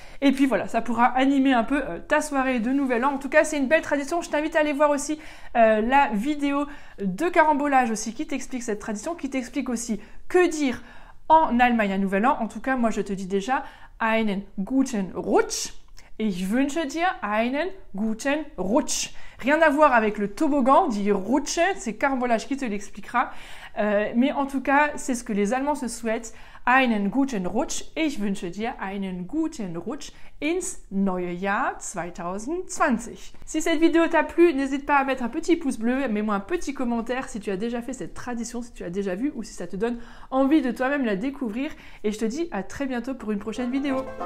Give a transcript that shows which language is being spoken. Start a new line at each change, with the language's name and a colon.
French: Et puis voilà, ça pourra animer un peu ta soirée de Nouvel An. En tout cas, c'est une belle tradition. Je t'invite à aller voir aussi la vidéo de Carambolage aussi, qui t'explique cette tradition, qui t'explique aussi que dire en Allemagne à Nouvel An. En tout cas, moi, je te dis déjà
German: einen guten Rutsch. Et ich wünsche dir einen guten Rutsch.
French: Rien à voir avec le toboggan, dit Rutsch, c'est Carambolage qui te l'expliquera. Mais en tout cas, c'est ce que les Allemands se souhaitent.
German: Einen guten Rutsch. Et ich wünsche dir einen guten Rutsch ins neue Jahr 2020.
French: Si cette vidéo t'a plu, n'hésite pas à mettre un petit pouce bleu. Mets-moi un petit commentaire si tu as déjà fait cette tradition, si tu as déjà vu ou si ça te donne envie de toi-même la découvrir. Et je te dis à très bientôt pour une prochaine vidéo.